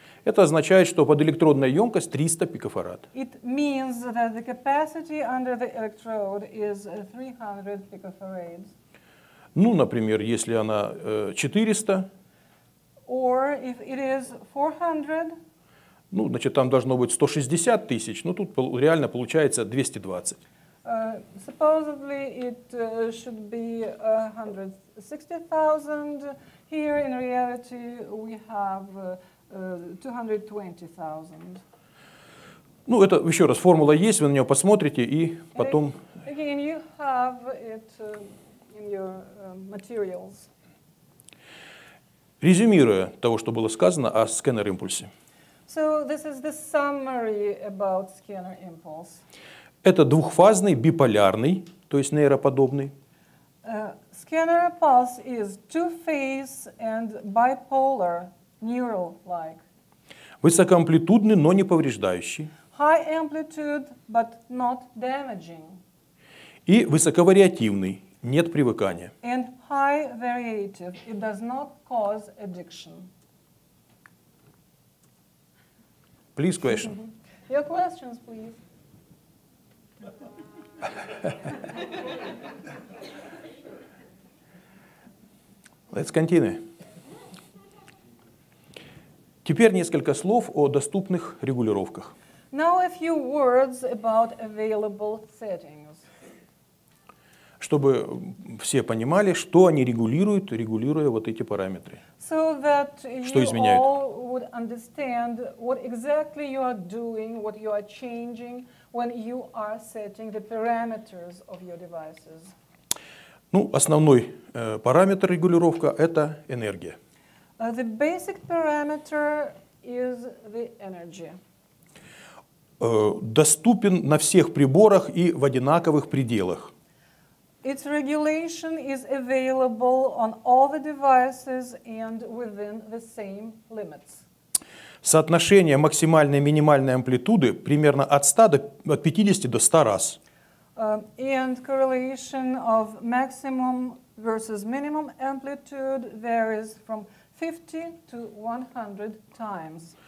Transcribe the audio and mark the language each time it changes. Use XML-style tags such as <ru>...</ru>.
<ru>Это означает, что подэлектродная емкость 300 пикофарад.</ru> <en>It means that the capacity under the electrode is 300 picofarads.</en> <ru>Ну, например, если она 400.</ru> <en>Or if it is 400.</en> <ru>Ну, значит, там должно быть 160 тысяч, но тут реально получается 220.</ru> <en>Supposedly it should be 160,000. Here in reality we have 220,000.</en> <ru>Ну, это еще раз, формула есть, вы на нее посмотрите и потом.</ru> <en>Again, you have it in your materials.</en> <ru>Резюмируя того, что было сказано о сканер-импульсе.</ru> <en>So this is the summary about scanner impulse.</en> <ru>Это двухфазный биполярный, то есть нейроподобный.</ru> <en>Scanner pulse is two-phase and bipolar, neural-like.</en> <ru>Высокоамплитудный, но не повреждающий.</ru> <en>High amplitude, but not damaging.</en> <ru>И высоковариативный, нет привыкания.</ru> <en>And high variative, it does not cause addiction. Please question. Your questions, please. Let's continue.</en> <ru>Теперь несколько слов о доступных регулировках.</ru> <en>Now a few words about available settings.</en> <ru>Чтобы все понимали, что они регулируют, регулируя вот эти параметры.</ru> <en>So that you all would understand what exactly you are doing, what you are changing when you are setting the parameters of your devices.</en> <ru>Ну, основной параметр регулировка — это энергия.</ru> <en>The basic parameter is the energy.</en> <ru>Доступен на всех приборах и в одинаковых пределах.</ru> <en>Its regulation is available on all the devices and within the same limits.</en> <ru>Соотношение максимальной и минимальной амплитуды примерно от 100 до, от 50 до 100 раз.</ru> <en>And correlation of maximum versus minimum amplitude varies from 50 to 100 times.</en>